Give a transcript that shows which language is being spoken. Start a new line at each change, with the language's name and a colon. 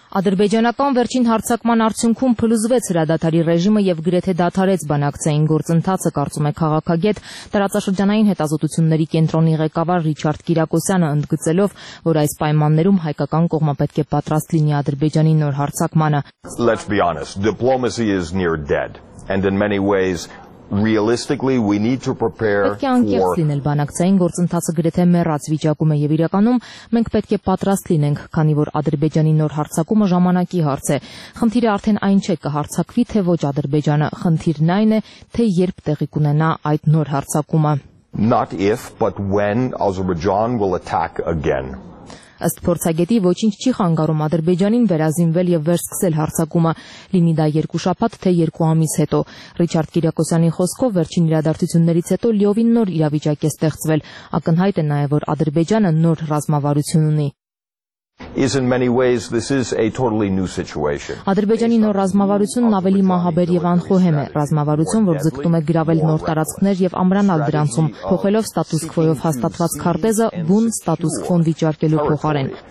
Armenian: Ադրբեջանական վերջին հարձակման արդյունքում փլուզվեց հրադադարի ռեժիմը և գրեթե դադարեց բանակցային գործընթացը, կարծում է քաղաքագետ, տարածաշրջանային հետազոտությունների կենտրոնի ղեկավար Ռիչարդ Կիրակոսյանը, ընդգծելով, որ այս պայմաններում հայկական կողմը պետք է պատրաստ լինի Ադրբեջանի նոր հարձակմանը.
English: Let's be honest, diplomacy is near dead, and in many ways realistically we need to prepare
Armenian: Պետք է անկեղծ լինել, բանակցային գործընթացը գրեթե մեռած վիճակում է եւ իրականում մենք պետք է պատրաստ լինենք, քանի որ Ադրբեջանի նոր հարձակումը ժամանակի հարց է։ Խնդիրը արդեն այն չէ, կհարցակվի թե ոչ Ադրբեջանը, խնդիրն այն է, թե երբ տեղի կունենա այդ նոր հարձակումը։
English: Not if but when Azerbaijan will attack again.
Armenian: Ըստ փորձագետի, ոչինչ չի խանգարում Ադրբեջանին վերազինվել և վերսկսել հարձակումը, լինի դա երկու շաբաթ, թե երկու ամիս հետո։ Ռիչարդ Կիրակոսյանի խոսքով, վերջին իրադարձություններից հետո լիովին նոր իրավիճակ է ստեղծվել, ակնհայտ է նաև, որ Ադրբեջանը նոր ռազմավարություն ունի։
English: Is in many ways this is a totally new situation.
Armenian: Ադրբեջանի նոր ռազմավարությունն ավելի մահաբեր եւ անխոհեմ է, ռազմավարություն, որ ձգտում է գրավել նոր տարածքներ եւ ամրանալ դրանցում, փոխելով ստատուս քվոյով հաստատված քարտեզը բուն ստատուս քվոն վիճարկելու փոխարեն.